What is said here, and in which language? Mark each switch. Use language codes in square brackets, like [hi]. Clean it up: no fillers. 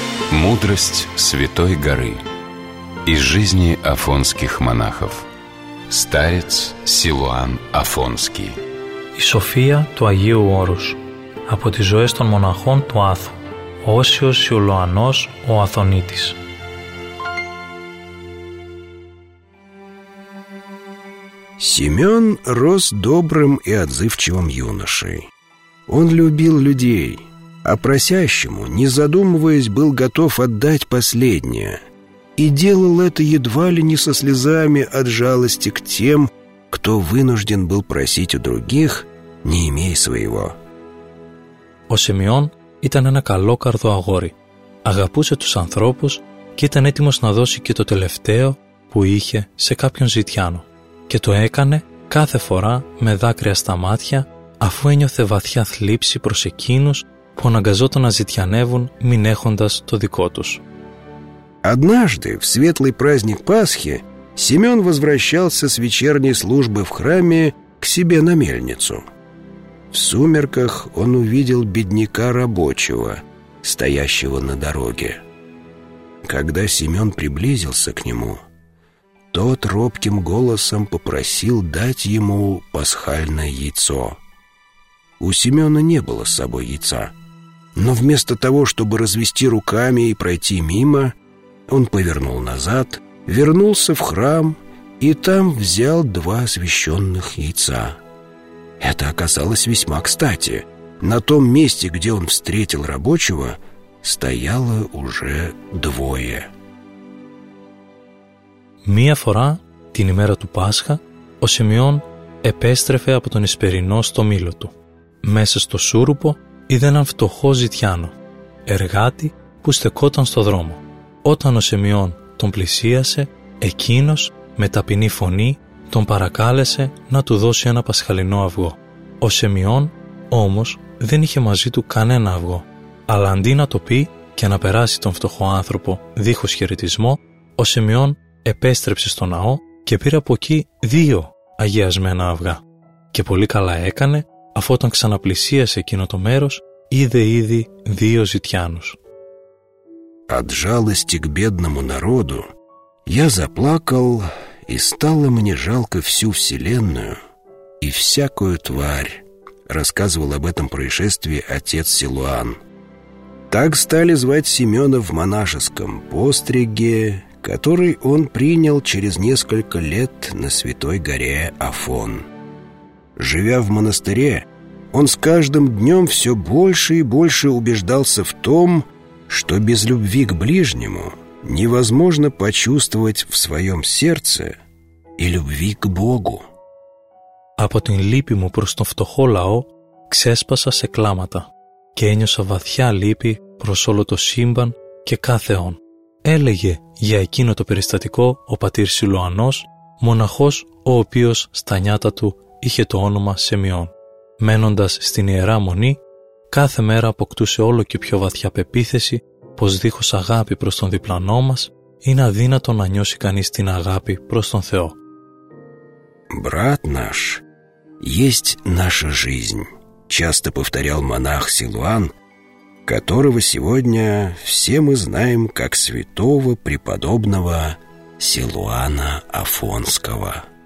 [ru] Мудрость Святой Горы из жизни афонских монахов. Старец Силуан Афонский. [el] Η σοφία του Αγίου Όρους από τις ζωές των μοναχών του Άθου, Όσιος Σιουλωανός ο Αθωνίτης. [ru] Семён рос добрым и отзывчивым юношей. Он любил людей, а просящему, не задумываясь, был готов отдать последнее. И делал это едва ли не со слезами от жалости к тем, кто вынужден был просить у других, не имея своего. [el] Ο Σιμεών ήταν ένα καλό καρδό αγόρι. Αγαπούσε τους ανθρώπους και ήταν έτοιμος να δώσει και το τελευταίο που είχε σε κάποιον ζητιάνο. Και το έκανε κάθε φορά με δάκρυα στα μάτια, αφού ένιωθε βαθιά θλίψη προς εκείνους που αναγκαζόταν να ζητιανεύουν μην έχοντας το δικό τους. [ru] Однажды, в светлый праздник Пасхи, Семён возвращался с вечерней службы в храме к себе на мельницу. В сумерках он увидел бедняка рабочего, стоящего на дороге. Когда Семён приблизился к нему, тот робким голосом попросил дать ему пасхальное яйцо. У Семёна не было с собой яйца, но вместо того, чтобы развести руками и пройти мимо, он повернул назад, вернулся в храм и там взял два освященных яйца. Это оказалось весьма кстати. На том месте, где он встретил рабочего, стояло уже двое. [el] Μία φορά την ημέρα του Πάσχα ο Σιμεών επέστρεφε από τον Ισπερινό στο μήλο του. Μέσα στο σούρουπο είδε έναν φτωχό ζητιάνο, εργάτη που στεκόταν στο δρόμο. Όταν ο Σιμεών τον πλησίασε, εκείνος με ταπεινή φωνή τον παρακάλεσε να του δώσει ένα πασχαλινό αυγό. Ο Σιμεών όμως δεν είχε μαζί του κανένα αυγό. Αλλά αντί να το πει και να περάσει τον φτωχό άνθρωπο δίχως χαιρετισμό, ο Σιμεών επέστρεψε στο ναό και πήρε από εκεί δύο αγιασμένα αυγά. Και πολύ καλά έκανε, αφού όταν ξαναπλησίασε εκείνο το μέρος, είδε ήδη δύο ζητιάνους. [ru] От жалости к бедному народу я заплакал, и стало мне жалко всю вселенную и всякую тварь, рассказывал об этом происшествии отец Силуан. Так стали звать Семёна в монашеском постриге, который он принял через несколько лет на святой горе Афон. Живя в монастыре, он с каждым днем все больше и больше убеждался в том, что без любви к ближнему невозможно почувствовать в своем сердце и любви к Богу. [el] Από την λύπη μου προς τον φτωχό λαό ξέσπασα σε κλάματα και ένιωσα βαθιά λύπη προς όλο το σύμπαν και κάθε όν. Έλεγε για εκείνο το περιστατικό ο πατήρ Σιλουανός, μοναχός ο οποίος στα νιάτα του είχε το όνομα Σιμεών. Μένοντας στην Ιερά Μονή, κάθε μέρα αποκτούσε όλο και πιο βαθιά πεποίθηση πως δίχως αγάπη προς τον διπλανό μας είναι αδύνατο να νιώσει κανείς την αγάπη προς τον Θεό. [ru] «Брат наш, есть наша жизнь», часто повторял монах Силуан, которого сегодня все мы знаем как святого преподобного Силуана Афонского.